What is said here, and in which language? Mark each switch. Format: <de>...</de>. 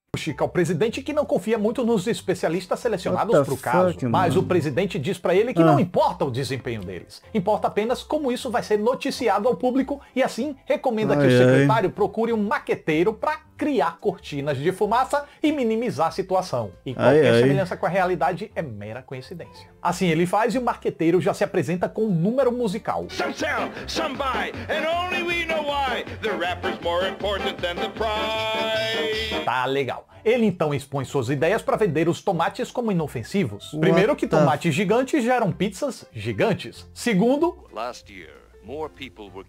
<pt>Chica ao presidente que não confia muito nos especialistas selecionados pro caso, mas o presidente diz pra ele que não importa o desempenho deles, importa apenas como isso vai ser noticiado ao público e assim recomenda que o secretário procure um maqueteiro pra criar cortinas de fumaça e minimizar a situação. E qualquer semelhança com a realidade é mera coincidência. Assim ele faz e o maqueteiro já se apresenta com um número musical.</pt> <en>Some sell, some buy, and only we know why. The rapper's more important than the prize.</en> <pt>Tá legal. Ele então expõe suas ideias para vender os tomates como inofensivos.</pt> <en>What?</en> <pt>Primeiro que tomates gigantes geram pizzas gigantes. Segundo,</pt> <en>last year, more people were</en>